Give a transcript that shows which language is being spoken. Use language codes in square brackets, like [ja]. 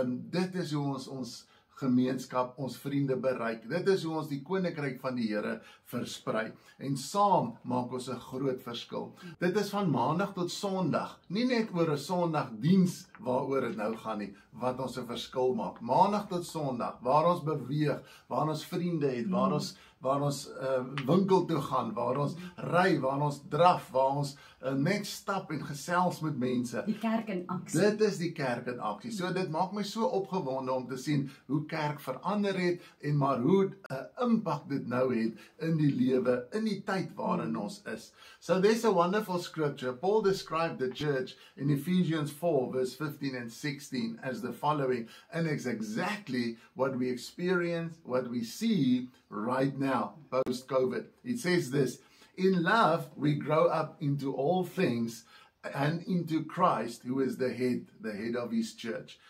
[af] Dit is hoe ons gemeenskap, ons vriende bereik. Dit is hoe ons die koninkryk van die Here versprei. En saam maak ons 'n groot verskil. Dit is van maandag tot sondag. Nie net oor 'n sondagdiens waaroor dit nou gaan nie, wat ons 'n verskil maak. Maandag tot sondag, waar ons beweeg, waar ons vriende het, waar ons winkel toe gaan, waar ons ry, waar ons draf, waar ons net stap en gesels met mense. Die kerk in aksie. Dit is die kerk in aksie. So dit maak my so opgewonde om te sien hoe kerk verander het en maar hoe 'n impak dit nou het in die lewe, in die tyd waarin ons is. [en] So there's a wonderful scripture. Paul described the church in Ephesians 4 verse 15 and 16 as the following, and it's exactly what we experience, what we see right now, post-COVID. It says this, in love we grow up into all things and into Christ, who is the head of his church.